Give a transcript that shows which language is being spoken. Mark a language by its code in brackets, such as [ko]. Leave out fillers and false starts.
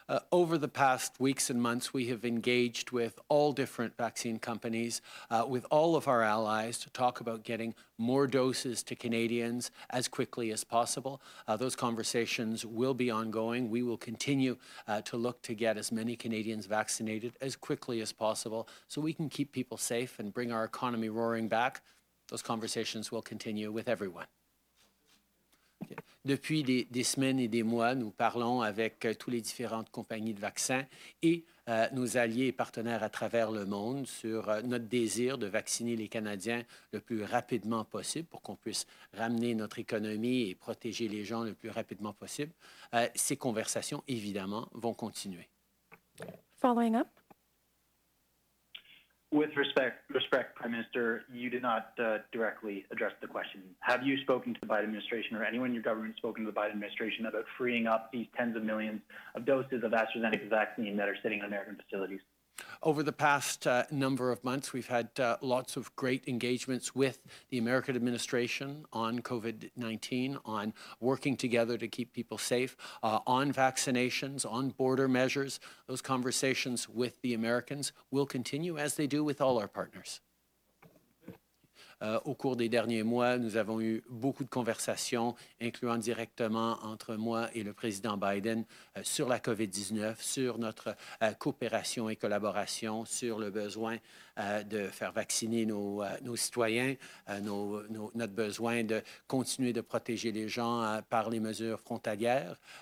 [en] Over the past weeks and months, we have engaged with all different vaccine companies, with all of our allies to talk about getting more doses to Canadians as quickly as possible. Those conversations will be ongoing. We will continue to look to get as many Canadians vaccinated as quickly as possible so we can keep people safe and bring our economy roaring back. Those conversations will continue with everyone. Yeah. [fr] Depuis des semaines et des mois, nous parlons avec toutes les différentes compagnies de vaccins et nos alliés et partenaires à travers le monde sur notre désir de vacciner les Canadiens le plus rapidement possible pour qu'on puisse ramener notre économie et protéger les gens le plus rapidement possible. Ces conversations, évidemment, vont continuer. [en] Following up. With respect, Prime Minister, you did not directly address the question. Have you spoken to the Biden administration or anyone in your government spoken to the Biden administration about freeing up these tens of millions of doses of AstraZeneca vaccine that are sitting in American facilities? Over the past number of months, we've had lots of great engagements with the American administration on COVID-19, on working together to keep people safe, on vaccinations, on border measures. Those conversations with the Americans will continue, as they do with all our partners. [fr] Au cours des derniers mois, nous avons eu beaucoup de conversations, incluant directement entre moi et le président Biden, sur la COVID-19, sur notre coopération et collaboration, sur le besoin de faire vacciner nos citoyens, notre besoin de continuer de protéger les gens par les mesures frontalières.